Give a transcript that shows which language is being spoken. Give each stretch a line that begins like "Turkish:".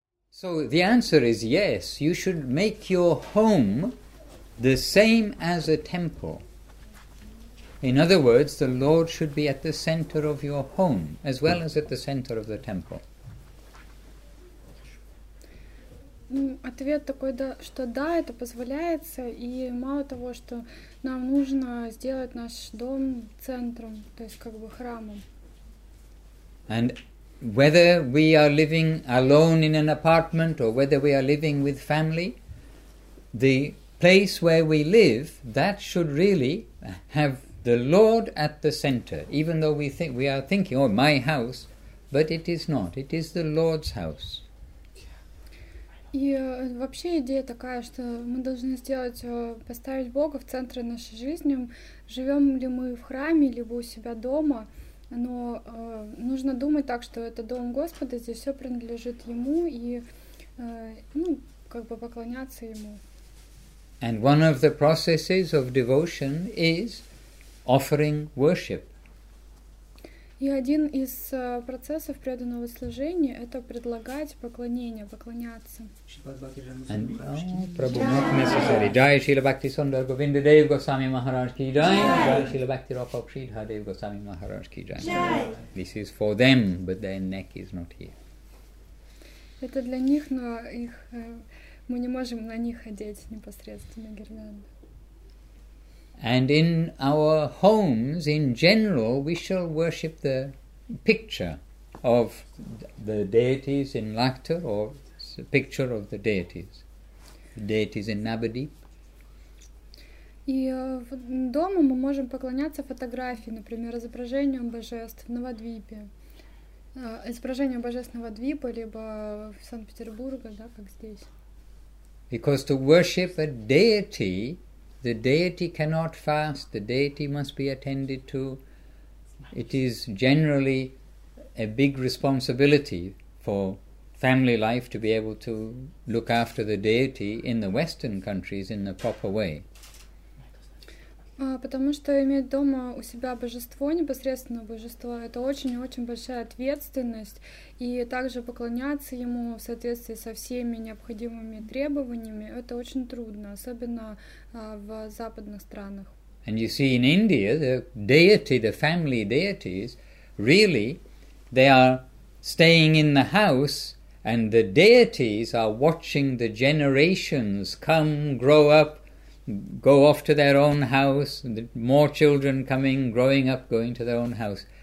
English: So the answer is yes, you should make your home the same as a temple. In other words, the Lord should be at the center of your home as well as at the center of the temple.
Russian: Ответ такой, да, что да, это позволяется, и мало того, что нам нужно сделать наш дом центром, то есть как бы храмом.
English: And whether we are living alone in an apartment or whether we are living with family, the place where we live, that should really have the Lord at the center, even though we are thinking, oh, my house, but it is not. It is the Lord's house.
Russian: И вообще идея такая, что мы должны поставить Бога в центре нашей жизни, живем ли мы в храме, либо у себя дома, но нужно думать так, что это дом Господа, здесь все принадлежит Ему, и, ну, как бы поклоняться Ему.
English: And one of the processes of devotion is offering worship.
Russian: И один из процессов преданного служения – это предлагать поклонение, поклоняться.
English: And, Prabhu, not necessary. Jai Srila Bhakti Sundar Govinda Dev Goswami Maharaj Ki Jai. Jai Srila Bhakti Rapa Sridhar Dev Goswami Maharaj Ki Jai. This is for them, but their neck is not here.
Russian: Это для них, но их мы не можем на них одеть непосредственно гирлянду.
English: And in our homes, in general, we shall worship the picture of the deities in Lakta, or the picture of the deities in Navadvip.
Russian: И в доме мы можем поклоняться фотографии, например, изображением божеств в Навадвипе, изображением божеств Навадвипа, либо в Санкт-Петербурге, да, как здесь.
English: Because to worship a deity, the deity cannot fast, the deity must be attended to. It is generally a big responsibility for family life to be able to look after the deity in the Western countries in the proper way.
Russian: Потому что иметь дома у себя божество, непосредственно божество, это очень-очень большая ответственность. И также поклоняться ему в соответствии со всеми необходимыми требованиями, это очень трудно, особенно в западных странах.
English: And you see, in India, the deity, the family deities, really, they are staying in the house, and the deities are watching the generations come, grow up, go off to their own house, more children coming, growing up, going to their own house.